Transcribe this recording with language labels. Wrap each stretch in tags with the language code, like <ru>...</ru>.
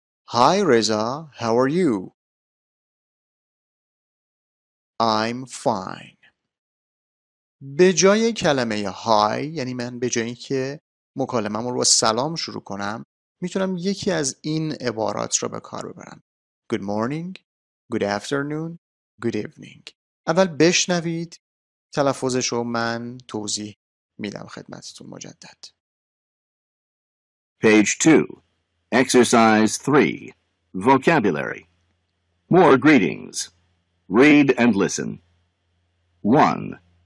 <en>Hi Reza, how are you? I'm fine.</en> <fa>به جای کلمه hi، یعنی من به جایی که مکالمه‌مو رو با سلام شروع کنم میتونم یکی از این عبارات رو به کار ببرم.</fa> <en>Good morning, good afternoon, good evening.</en> <fa>اول بشنوید تلفظش رو، من توضیح میدم خدمتتون مجدد.</fa> <en>Page 2. Exercise 3. Vocabulary. More greetings. Read and listen. 1.</en>